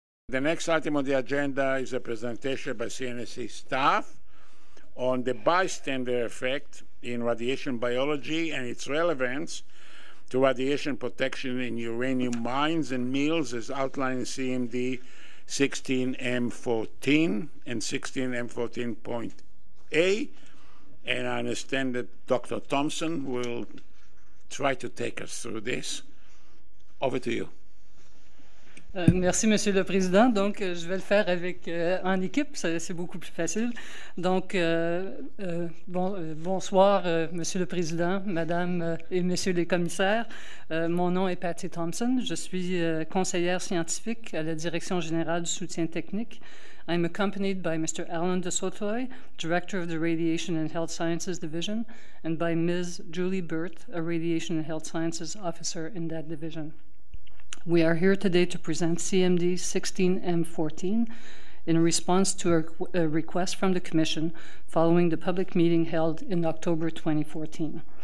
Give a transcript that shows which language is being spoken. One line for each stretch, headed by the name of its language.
English: The next item on the agenda is a presentation by CNSC staff on the bystander effect in radiation biology and its relevance to radiation protection in uranium mines and mills, as outlined in CMD 16M14 and 16M14.A. And I understand that Dr. Thompson will try to take us through this. Over to you.
French: Merci, Monsieur le Président. Donc, je vais le faire avec en équipe, c'est beaucoup plus facile. Donc, bonsoir, Monsieur le Président, Madame et Messieurs les commissaires. Mon nom est Patty Thompson. Je suis conseillère scientifique à la Direction générale du soutien technique.
English: I'm accompanied by Mr. Alan DeSautoy, Director of the Radiation and Health Sciences Division, and by Ms. Julie Burt, a Radiation and Health Sciences Officer in that division. We are here today to present CMD 16M14 in response to a request from the Commission following the public meeting held in October 2014.